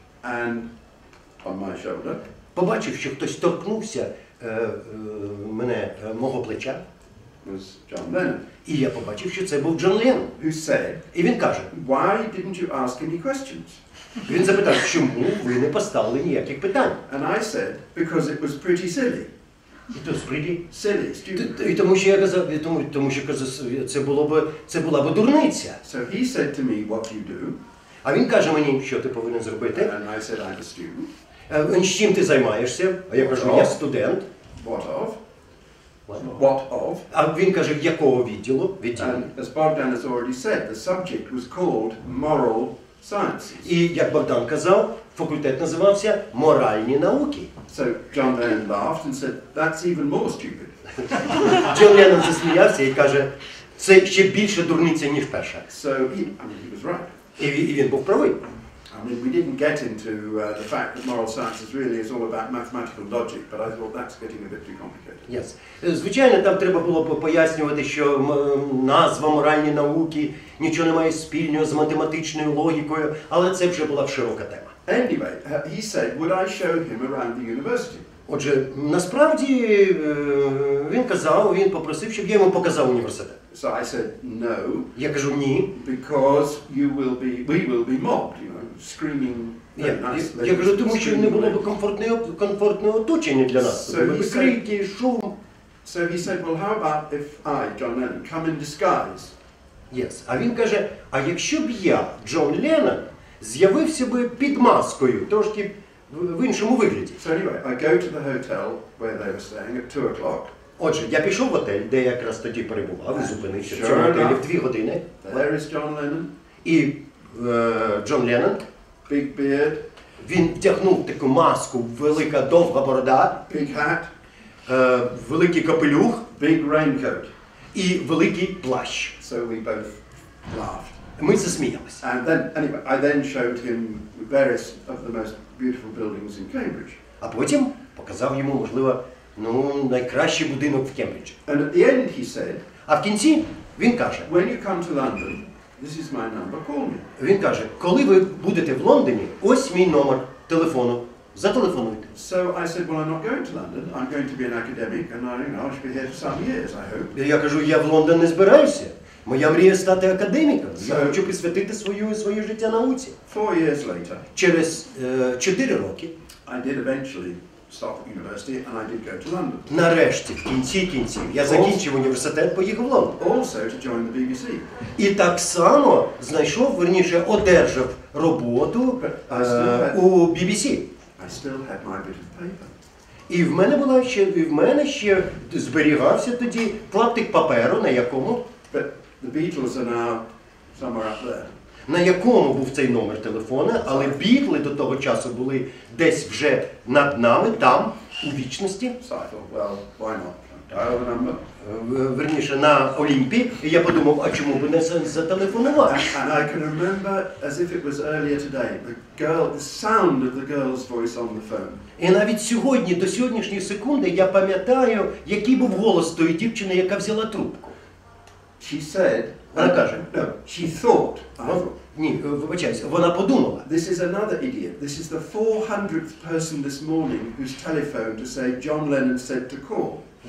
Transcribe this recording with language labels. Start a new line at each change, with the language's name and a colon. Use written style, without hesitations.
English: and on my shoulder,
Ukrainian: побачив, що хтось торкнувся мене, мого плеча.
English: Was John Lennon.
Ukrainian: І я побачив, що це був Джон Леннон.
English: Who said,
Ukrainian: і він каже,
English: why didn't you ask any questions?
Ukrainian: Він запитав, чому ви не поставили ніяких питань?
English: And I said, because it was pretty silly. It was pretty silly, stupid.
Ukrainian: І тому що я казав, тому що це була б дурниця.
English: So he said to me, what do you do?
Ukrainian: А він каже мені, що ти повинен зробити.
English: And I said, I'm a student.
Ukrainian: З чим ти займаєшся? А я кажу, я студент.
English: What of? What of?
Ukrainian: А він каже, якого відділу? Відділу.
English: As Bogdan has already said, the subject was called moral sciences.
Ukrainian: І як Богдан казав, факультет називався моральні науки.
English: So John Lennon laughed and said, that's even more stupid.
Ukrainian: Джон Леннон засміявся і каже, це ще більше дурниця, ніж перша.
English: So he was right.
Ukrainian: І він був правий.
English: I mean, we didn't get into the fact that moral sciences really is all about mathematical logic, but I thought that's getting a bit too complicated. Yes.
Ukrainian: Звичайно, там треба було пояснювати, що назва моральні науки нічого не має спільного з математичною логікою, але це вже була широка тема.
English: Anyway, he said, would I show him around the university?
Ukrainian: Отже, насправді, він казав, він попросив, щоб я йому показав університет.
English: So I said, no.
Ukrainian: Я кажу, ні.
English: Because we will be mobbed, you know. Screaming,
Ukrainian: я кажу, тому що не було б комфортне оточення для нас. Крики, шум.
English: So he said, well, how about if I, John Lennon, come in disguise? Yes.
Ukrainian: А він каже, а якщо б я, Джон Леннон, з'явився би під маскою, трошки в іншому вигляді.
English: So anyway, I go to the hotel where they were staying at 2 o'clock.
Ukrainian: Отже, я пішов в отель, де якраз тоді перебував, зупинився в цьому готелі в 2 години.
English: There is John Lennon.
Ukrainian: І Джон Леннон,
English: big beard.
Ukrainian: Він вдягнув таку маску, велика довга борода,
English: big hat.
Ukrainian: Великий капелюх,
English: big raincoat.
Ukrainian: І великий плащ.
English: So we both laughed.
Ukrainian: Ми засміялися.
English: And then, anyway, I then showed him various of the most beautiful buildings in Cambridge.
Ukrainian: А потім показав йому, можливо, найкращий будинок в Кембриджі.
English: And at the end he said,
Ukrainian: а в кінці він каже,
English: when you come to London, this is my number, call me.
Ukrainian: Він каже, коли ви будете в Лондоні, ось мій номер телефону, зателефонуйте.
English: So I said, well, I'm not going to London, I'm going to be an academic, and I, you know, I should be here for some years, I hope.
Ukrainian: Я кажу, я в Лондон не збираюся. Моя мрія стати академіком. Я хочу присвятити своє життя науці.
English: 4 years later.
Ukrainian: Через 4 роки.
English: I did eventually stop at university, and I did go to London.
Ukrainian: Нарешті, в кінці кінців, я закінчив університет, поїхав в Лондон.
English: Also to join the BBC.
Ukrainian: І так само знайшов, верніше, одержав роботу у BBC.
English: I still had my bit of paper.
Ukrainian: І в мене була ще, і в мене ще зберігався тоді клаптик паперу, на якому...
English: But the Beatles are now somewhere up there.
Ukrainian: На якому був цей номер телефона, але Бітли до того часу були десь вже над нами, там, у вічності.
English: So I thought, well, why not? Dial the number.
Ukrainian: Верніше, на Олімпі. І я подумав, а чому би не зателефонувати?
English: And I can remember, as if it was earlier today, the sound of the girl's voice on the phone.
Ukrainian: І навіть сьогодні, до сьогоднішньої секунди, я пам'ятаю, який був голос тої дівчини, яка взяла трубку.
English: She said...
Ukrainian: Вона каже,
English: she thought,
Ukrainian: ні, вибачайся, вона подумала.
English: This is another idiot. This is the 400th person this morning who's telephoned to say John Lennon said to call.